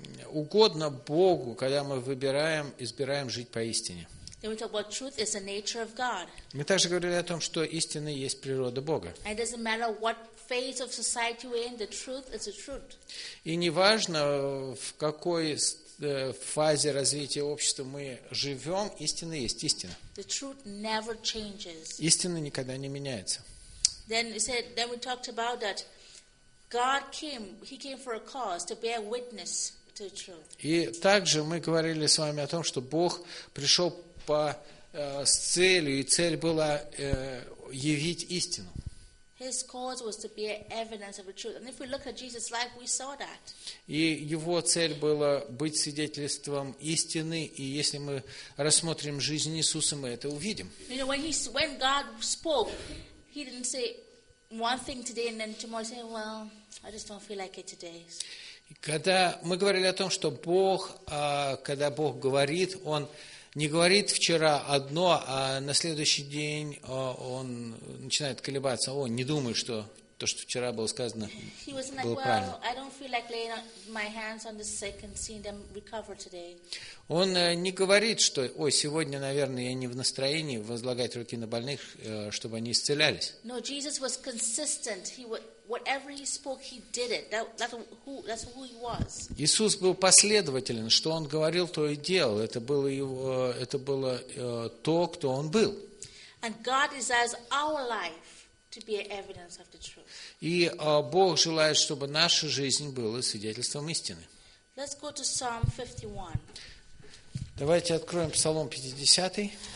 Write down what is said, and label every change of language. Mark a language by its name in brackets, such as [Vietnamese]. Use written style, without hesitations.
[Russian] Угодно Богу, когда мы выбираем, избираем жить по истине. [English] Then we talk about truth is the nature of God. [Russian] Мы также говорили о том, что истина есть природа Бога. [English] And it doesn't matter what phase of society we're in, the truth is the truth. [Russian] И неважно, в какой фазе развития общества мы живем, истина есть истина. [English] The truth never changes. [Russian] Истина никогда не меняется. [English] Then we talked about that God came, He came for a cause, to bear witness to the truth. [Russian] И также мы говорили с вами о том, что Бог пришел с целью, и цель была явить истину. [English] His cause was to be evidence of the truth. And if we look at Jesus' life, we saw that. [Russian] И его цель была быть свидетельством истины, и если мы рассмотрим жизнь Иисуса, мы это увидим. [English] You know, when God spoke, He didn't say one thing today and then tomorrow say, well, I just don't feel like it today. [Russian] Когда мы говорили о том, что Бог, когда Бог говорит, Он не говорит вчера одно, а на следующий день он начинает колебаться. О, не думаю, что то, что вчера было сказано, было правильно. [English] Well, I don't feel like laying my hands on the sick and seeing them recover today. [Russian] Он не говорит, что, ой, сегодня, наверное, я не в настроении возлагать руки на больных, чтобы они исцелялись. [English] No, Jesus was consistent. Whatever he spoke, he did it. That's who he was. [Russian] Иисус был последователен, что он говорил, то и делал. Это было то, кто он был. [English] And God desires our life to be an evidence of the truth. [Russian] И Бог желает, чтобы наша жизнь была свидетельством истины. [English] Let's go to Psalm 51. [Russian] Давайте откроем Псалом 50.